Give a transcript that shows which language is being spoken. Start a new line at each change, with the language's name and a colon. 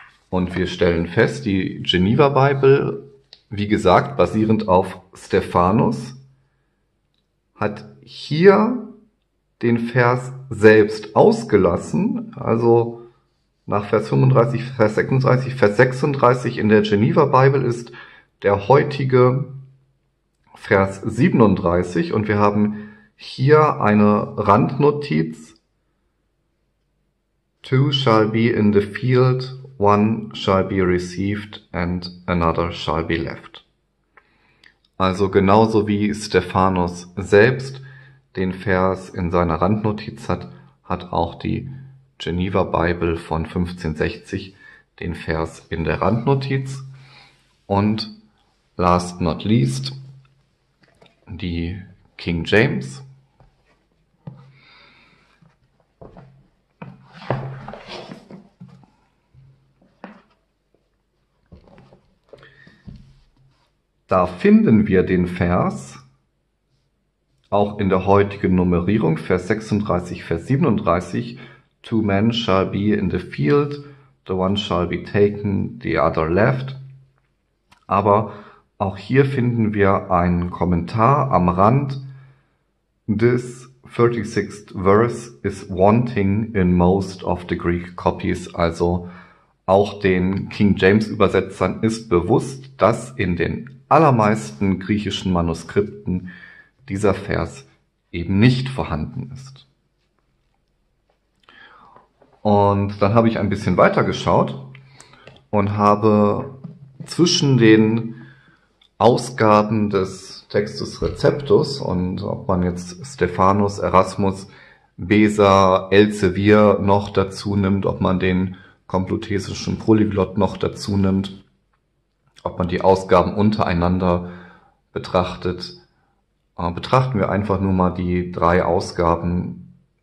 German: Und wir stellen fest, die Geneva Bible, wie gesagt, basierend auf Stephanus, hat hier den Vers selbst ausgelassen, also nach Vers 35, Vers 36, Vers 36 in der Geneva Bible ist der heutige Vers 37 und wir haben hier eine Randnotiz.
English: Two shall be in the field, one shall be received and another shall be left.
German: Also genauso wie Stephanus selbst den Vers in seiner Randnotiz hat, hat auch die Geneva Bible von 1560 den Vers in der Randnotiz. Und last not least, die King James. Da finden wir den Vers auch in der heutigen Nummerierung, Vers 36, Vers 37.
English: Two men shall be in the field, the one shall be taken, the other left.
German: Aber auch hier finden wir einen Kommentar am Rand.
English: This 36th verse is wanting in most of the Greek copies.
German: Also auch den King James Übersetzern ist bewusst, dass in den allermeisten griechischen Manuskripten dieser Vers eben nicht vorhanden ist. Und dann habe ich ein bisschen weiter geschaut und habe zwischen den Ausgaben des Textus Receptus und ob man jetzt Stephanus, Erasmus, Beza, Elsevier noch dazu nimmt, ob man den komplutesischen Polyglott noch dazu nimmt, ob man die Ausgaben untereinander betrachtet, betrachten wir einfach nur mal die drei Ausgaben,